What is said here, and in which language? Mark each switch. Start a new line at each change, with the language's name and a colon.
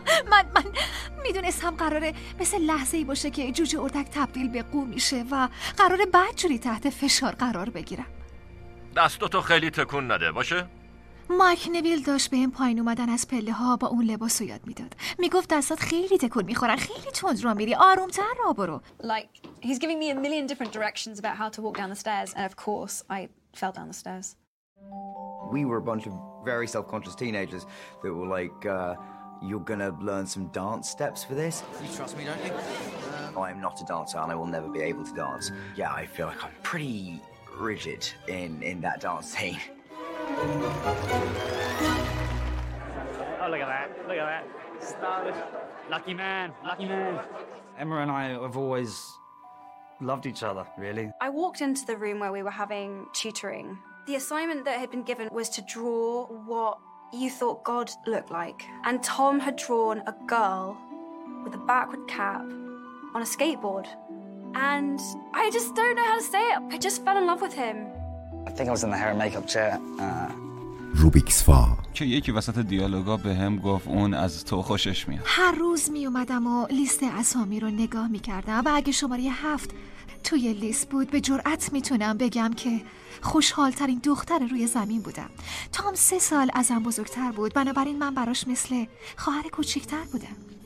Persian: من میدونستم قراره مثل لحظه باشه که جوجه اردک تبدیل به قو میشه و قراره بعد جوری تحت فشار قرار بگیرم. دستاتو خیلی تکون نده باشه؟ مایک نویل داشت به این پایین اومدن از پله ها با اون لباس رو یاد میداد. میگفت دستات خیلی تکون میخورن، خیلی تند را میری، آرومتر را برو.
English: Like he's giving me a million different directions about how to walk down the stairs and of course I fell down the stairs. We were a bunch of very self-conscious teenagers that were like you're gonna learn some dance steps for this. You trust me, don't you? I am not a dancer and I will never be able to dance. Yeah, I feel like I'm pretty rigid in that dance scene. Oh, look at that. Look at that. Stylish. Lucky man. Lucky man. Emma and I have always loved each other, really. I walked into the room where we were having tutoring. The assignment that had been given was to draw what you thought God looked like. And Tom had drawn a girl with a backward cap on a skateboard. And I just don't know how to say it. I just fell in love with him. I think I was in the hair and makeup chair. روبیکس فا
Persian: که یکی وسط دیالوگا به هم گفت اون از تو خوشش میاد. هر روز می اومدم و لیست اسامی رو نگاه می کردم و اگه شماره 7 توی لیست بود به جرأت می تونم بگم که خوشحال ترین دختر روی زمین بودم. تام 3 سال ازم بزرگتر بود، بنابراین من براش مثل خواهر کوچکتر بودم.